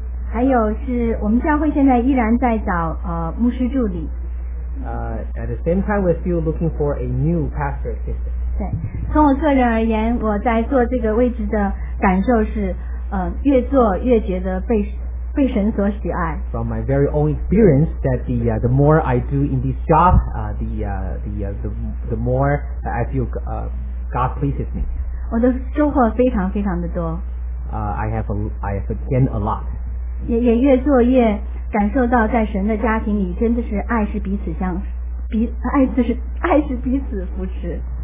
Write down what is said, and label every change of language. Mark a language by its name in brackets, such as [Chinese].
[Chinese] 还有是我们教会现在依然在找牧师助理。 [English] At the same time, we're still looking for a new pastor assistant. [Chinese] 对从我个人而言我在做这个位置的感受是越做越觉得被神所喜爱 [English] from my very own experience that the more I do in this job the more I feel God pleases me [Chinese] 我的收获非常非常的多 [English] I have gained a lot [Chinese] 也越做越感受到在神的家庭里真的是爱是彼此相爱是彼此扶持